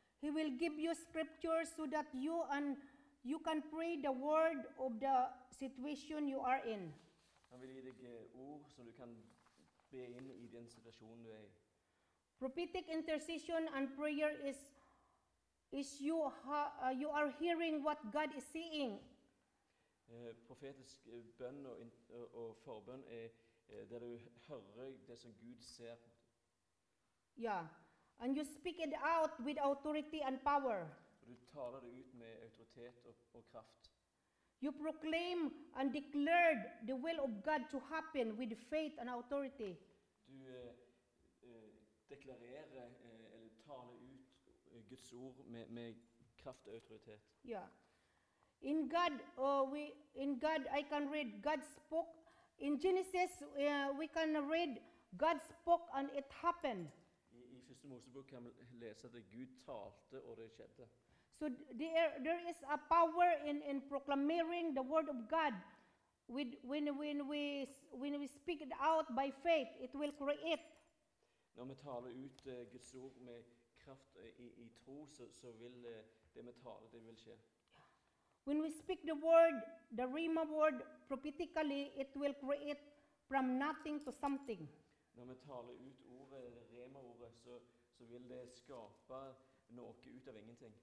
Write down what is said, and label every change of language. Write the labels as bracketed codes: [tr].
[en] He will give you scriptures so that you can pray the word of the situation you are in. [no] Han vil gi deg ord så du kan be inn i den situasjonen du er i. [en] Prophetic intercession and prayer is you are hearing what God is saying. [no] Profetisk bønn og forbønn er der du hører det som Gud ser. [en] Ja, and you speak it out with authority and power. [no] Du taler det ut med autoritet og kraft. [en] You proclaim and declare the will of God to happen with faith and authority. [no] Du deklarerer eller taler ut Guds ord med kraft og autoritet. [en] Ja. In God, I can read God spoke. In Genesis, we can read God spoke and it happened. [no] I første Mosebok kan vi lese at Gud talte og det skjedde. [en] So there is a power in proclaiming the word of God. When we speak it out by faith, it will create. [no] Når vi taler ut Guds ord med kraft i tro, så vil det vi taler, det vil skje. [en] When we speak the word, the rhema word, prophetically, it will create from nothing to something. [no] Når vi taler ut ordet, rhema ordet, så vil det skape noe ut av ingenting.